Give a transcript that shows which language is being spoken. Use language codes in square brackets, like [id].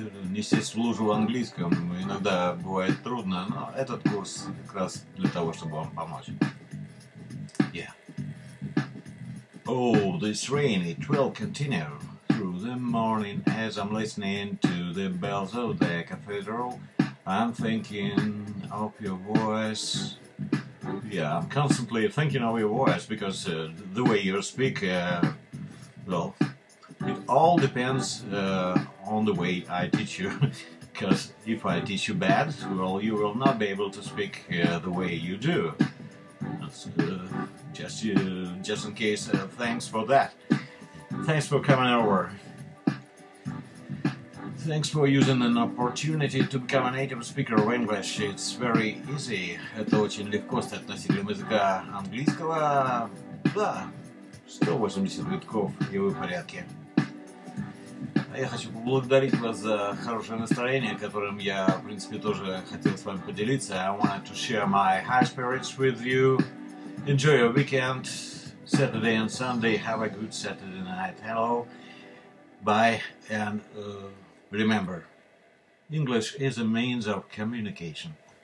[ru] Не сесть в лужу в английском иногда бывает трудно, но этот курс как раз для того, чтобы вам помочь. [en] Yeah. Oh, this rain, it will continue through the morning as I'm listening to the bells of the cathedral. I'm thinking of your voice. Yeah, I'm constantly thinking of your voice because the way you speak, well, it all depends on the way I teach you, because if I teach you bad, well, you will not be able to speak the way you do. That's, just in case, thanks for that. Thanks for coming over. Thanks for using an opportunity to become a native speaker of English. It's very easy. [ru] Это очень легко стать носителем языка английского. Да, 180 витков, и вы в порядке. Я хочу поблагодарить вас за хорошее настроение, которым я, в принципе, тоже хотел с вами поделиться. [en] I wanted to share my high spirits with you. Enjoy your weekend, Saturday and Sunday. Have a good Saturday night. Hello, bye, and remember, English is a means of communication.